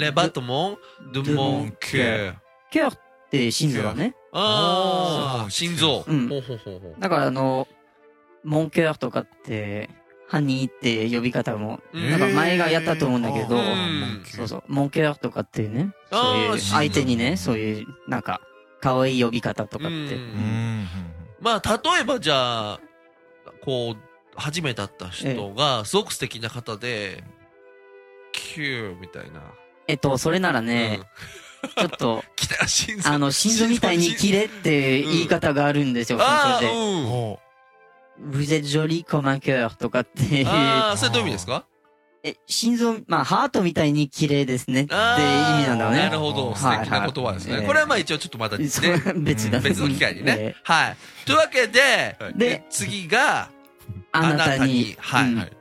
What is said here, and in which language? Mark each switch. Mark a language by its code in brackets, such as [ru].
[fr] battements de mon cœur。 [ja] cœur。 で心臓だね。ああ、心臓。うん。ほうほうほう、だからモンキュアとかってハニーって呼び方も、なんか前がやったと思うんだけど、そうそう、モンキュアとかっていうね、そういう相手にね、そういうなんか可愛い呼び方とかって。まあ例えばじゃあこう初めて会った人がすごく素敵な方で、キューみたいな。それならね。うん、ちょっと来た心臓、心臓みたいにキレって言い方があるんですよ、フランス語で。 [fr] Vous êtes joli comme un cœur [ja] とかって。ああ、それどういう意味ですか？心臓、まあ、ハートみたいに綺麗ですねって意味なんだよね。なるほど、素敵な言葉ですね。これはまあ一応ちょっとまた、ね、別だ、別の機会にね。はい。というわけで、で次が、あなたに。はい、うん。